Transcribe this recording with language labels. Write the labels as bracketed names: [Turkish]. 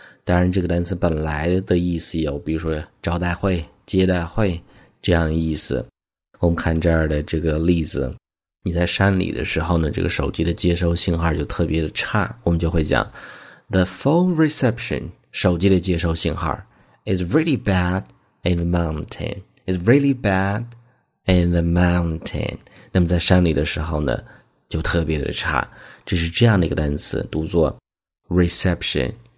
[Chinese] 当然，这个单词本来的意思有，比如说招待会、接待会这样的意思。我们看这儿的这个例子。你在山里的时候呢，这个手机的接收信号就特别的差，我们就会讲 [English] "The phone reception [Chinese] 手机的接收信号 [English] is really bad in the mountain. It's really bad in the mountain." [Chinese] 那么在山里的时候呢，就特别的差，这是这样的一个单词，读作 reception。